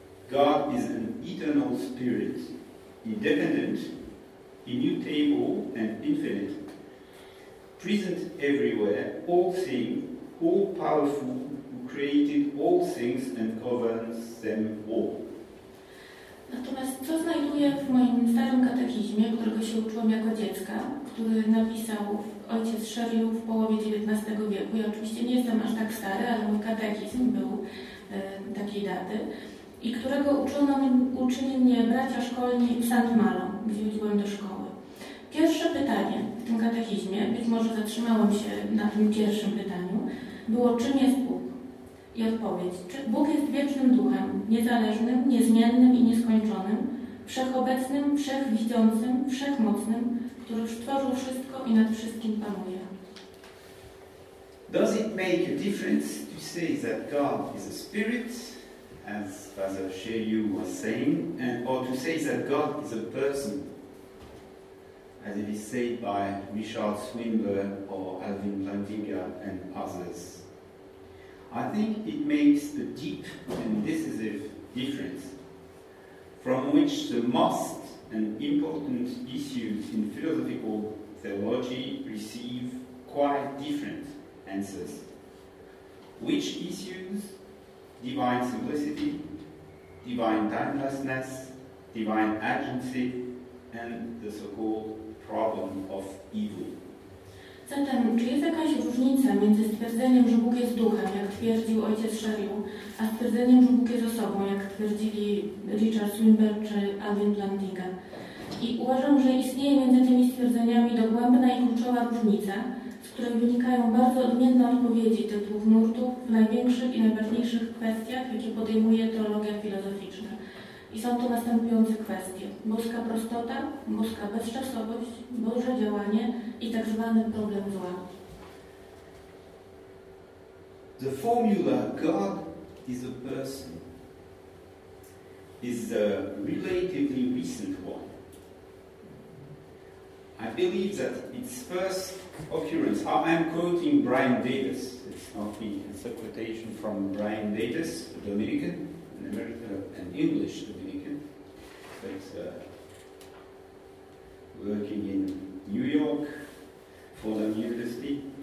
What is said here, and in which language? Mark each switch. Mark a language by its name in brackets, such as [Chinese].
[English] God is an eternal spirit, independent, immutable, and infinite, present everywhere, all-seeing, all-powerful, who created all things and governs them all. [Polish] Natomiast co znajduję w moim starym katechizmie, którego się uczyłam jako dziecka, który napisał ojciec Chériou w połowie XIX wieku. Ja oczywiście nie jestem aż tak stary, ale mój katechizm był takiej daty. I którego uczyli mnie bracia szkolni w St. Malo, gdzie chodziłem do szkoły. Pierwsze pytanie w tym katechizmie, być może zatrzymałam się na tym pierwszym pytaniu, było czym jest Bóg? I odpowiedź. Czy Bóg jest wiecznym duchem, niezależnym, niezmiennym i nieskończonym, wszechobecnym, wszechwidzącym, wszechmocnym, który stworzył wszystko i nad wszystkim panuje? [English] Does it make a difference to say that God is a spirit, as Father Chériou was saying, and, or to say that God is a person, as it is said by Richard Swinburne or Alvin Plantinga and others? I think it makes a deep and decisive difference from which the most and important issues in philosophical theology receive quite different answers. Which issues, divine simplicity, divine timelessness, divine agency, and the so-called problem of evil? [Polish] Zatem, czy jest jakaś różnica między stwierdzeniem, że Bóg jest duchem, jak twierdził ojciec Chériou, a stwierdzeniem, że Bóg jest osobą, jak twierdzili Richard Swinburne czy Alvin Plantinga? I uważam, że istnieje między tymi stwierdzeniami dogłębna i kluczowa różnica, z której wynikają bardzo odmienne odpowiedzi tych dwóch nurtów w największych i najważniejszych kwestiach, jakie podejmuje teologia filozoficzna. I są to następujące kwestie. Boska prostota, boska bezczasowość, Boże działanie, i tak zwany problem zła. [English] The formula God is a person is a relatively recent one. I believe that its first occurrence, I am quoting Brian Davis, it's not me, it's a quotation from Brian Davis, a Dominican, an American, an English Dominican, but working in New York, Fordham University.